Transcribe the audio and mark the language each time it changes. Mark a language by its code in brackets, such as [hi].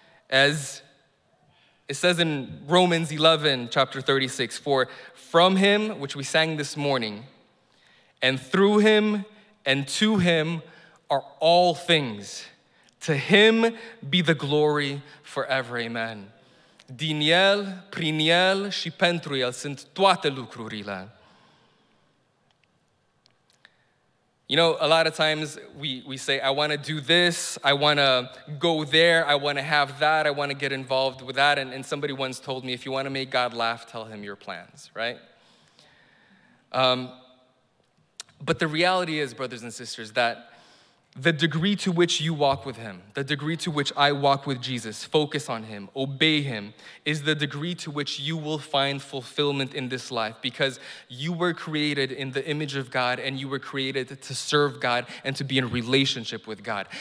[en] As it says in Romans 11, chapter 36, for from him, which we sang this morning, and through him and to him are all things. To him be the glory forever, amen. [ro] Din el, prin el, și pentru el sunt toate lucrurile. [en] You know, a lot of times we say, I want to do this, I want to go there, I want to have that, I want to get involved with that. And somebody once told me, if you want to make God laugh, tell him your plans, right? But the reality is, brothers and sisters, that the degree to which you walk with him, the degree to which I walk with Jesus, focus on him, obey him, is the degree to which you will find fulfillment in this life, because you were created in the image of God and you were created to serve God and to be in relationship with God.